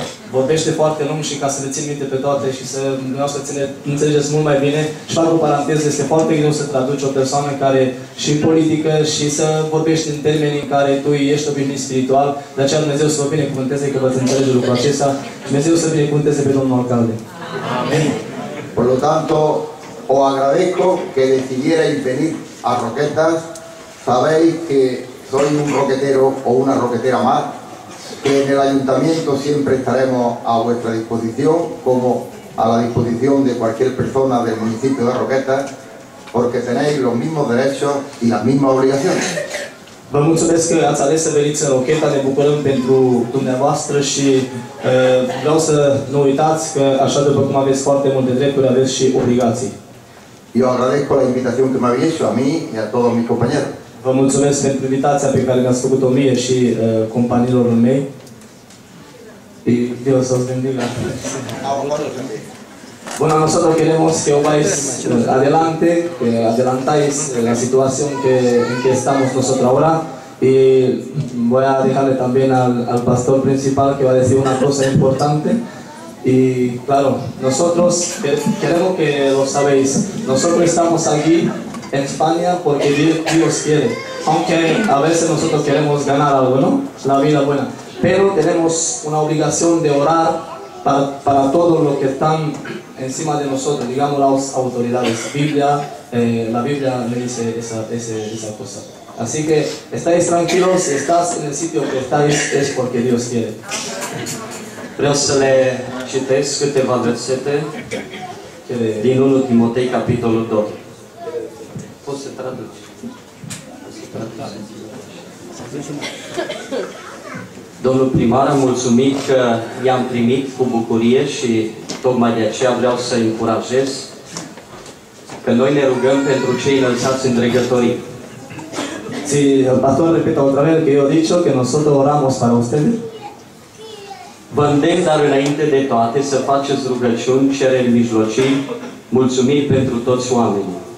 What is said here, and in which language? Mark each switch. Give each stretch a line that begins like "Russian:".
Romanian: Vorbește foarte lung și ca să le țin minte pe toate și să dumneavoastră înțelegeți mult mai bine. Și fac o paranteză, este foarte greu să traduci o persoană care și politică și să vorbești în termeni în care tu ești obișnuit spiritual. De aceea Dumnezeu să vă binecuvânteze că vă înțelege lucrul acesta. Dumnezeu să binecuvânteze pe domnul alcalde. Amen.
Spanish: Por lo tanto, o agradezco que decidierais venir a Roquetas. Sabéis que soy un roquetero o una roquetera más. Que en el ayuntamiento siempre estaremos a vuestra disposición, como a la disposición de cualquier persona del municipio de Roquetas, porque tenéis los mismos derechos y las mismas obligaciones.
Romanian: Vă mulțumesc că ați ales să veniți în Rocheta, ne bucurăm pentru dumneavoastră și vreau să nu uitați că, așa după cum aveți foarte multe drepturi, aveți și obligații.
Spanish: Eu agradezco la invitación que me habéis hecho a mí y a todos mis compañeros.
Romanian: Vă mulțumesc pentru invitația pe care mi-ați făcut-o mie și companiilor mei. Eu să-ți gândim la următoare.
Spanish: Bueno, nosotros queremos que vayáis adelante, que adelantáis la situación que, en que estamos nosotros ahora. Y voy a dejarle también al, al pastor principal que va a decir una cosa importante. Y claro, nosotros queremos que lo sabéis. Nosotros estamos aquí en España porque Dios quiere. Aunque a veces nosotros queremos ganar algo, ¿no? La vida buena. Pero tenemos una obligación de orar para todos los que están encima de nosotros, digamos las autoridades. Biblia, la Biblia me dice esa cosa. Así que estáis tranquilos, estás en el sitio que estáis, es porque Dios quiere.
Romanian: Vreau să le citesc câteva versete din 1 Timotei, capitolul 2. Poți să traduci. Domnul primar, am mulțumit că i-am primit cu bucurie și tocmai de aceea vreau să-i încurajez că noi ne rugăm pentru cei înălțați în dregătorii.
Spanish: Si el pastor repita otra vez que yo he dicho que nosotros oramos para ustedes.
Romanian: Vă îndemn, dar înainte de toate, să faceți rugăciuni, cereri mijlocii, mulțumiri pentru toți oamenii.